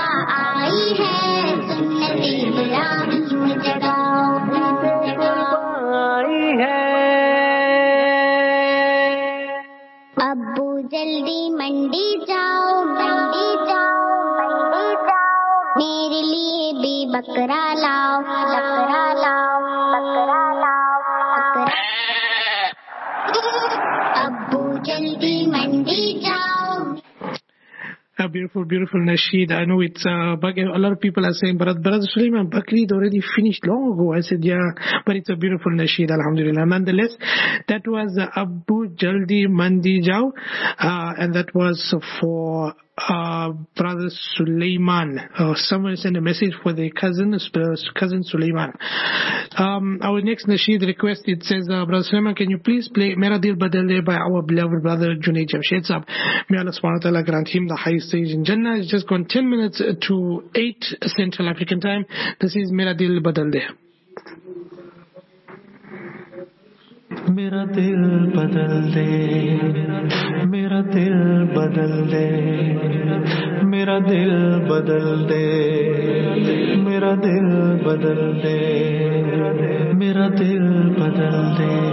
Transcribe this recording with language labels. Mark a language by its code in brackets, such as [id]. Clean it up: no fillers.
[ur] آئی ہے ابو جلدی منڈی جاؤ منڈی جاؤ منڈی جاؤ میرے لیے بھی بکرا لاؤ بکرا لاؤ بکرا لاؤ بکرا ابو جلدی منڈی جاؤ [en] A beautiful, beautiful nasheed. I know it's a lot of people are saying, but Brother Suleiman, Bakrid already finished long ago. I said, yeah, but it's a beautiful nasheed, alhamdulillah. Nonetheless, that was Abu Jaldi Mandi Jau, and that was for Brother Suleiman. Someone sent a message for their cousin, cousin Suleiman. Our next nasheed request, it says, Brother Suleiman, can you please play Meradil Badale by our beloved brother Junaid Jamshed Sahab? May Allah subhanahu wa ta'ala grant him the highest stage in Jannah. It's just gone 10 minutes to 8 Central African time. This is Meradil Badale. [ur] میرا دل بدل دے میرا دل بدل دے میرا دل بدل دے میرا دل بدل دے میرا دل بدل دے